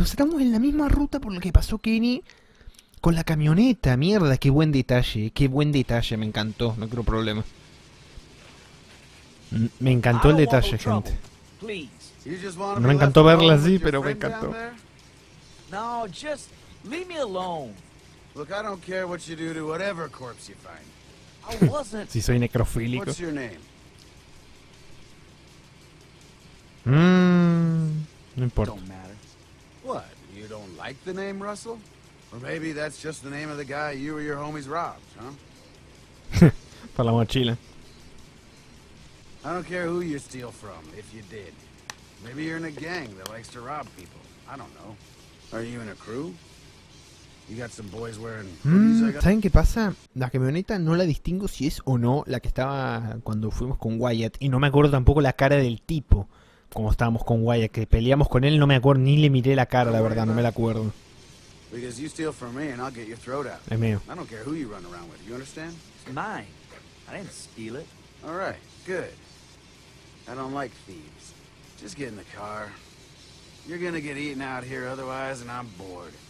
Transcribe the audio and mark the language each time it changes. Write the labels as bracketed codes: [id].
[es] O sea, estamos en la misma ruta por la que pasó Kenny con la camioneta. Mierda, qué buen detalle. Qué buen detalle. Me encantó. No quiero problemas. Me encantó el detalle, gente. No me encantó verla así, pero me encantó. [en] No, just leave me alone. Look, I don't care what you do to whatever corpse you find. [es] Si soy necrofílico. [en] What's your name? [es] No importa. [en] Don't matter. What? You don't like the name Russell? Or maybe that's just the name of the guy you or your homies robbed, huh? [es] Para la mochila. [en] I don't care who you steal from, if you did. Maybe you're in a gang that likes to rob people. I don't know. Are you in a crew? You got some boys wearing... [es] ¿Saben qué pasa? La camioneta no la distingo si es o no la que estaba cuando fuimos con Wyatt. Y no me acuerdo tampoco la cara del tipo cuando estábamos con Wyatt. Que peleamos con él, no me acuerdo. Ni le miré la cara, la verdad. No me la acuerdo. [en] Because you steal from me and I'll get your throat out. [es] Es mío. [en] I don't care who you run around with. You understand? It's mine. I didn't steal it. All right. Good. I don't like thieves. Just get in the car. You're gonna get eaten out here otherwise and I'm bored.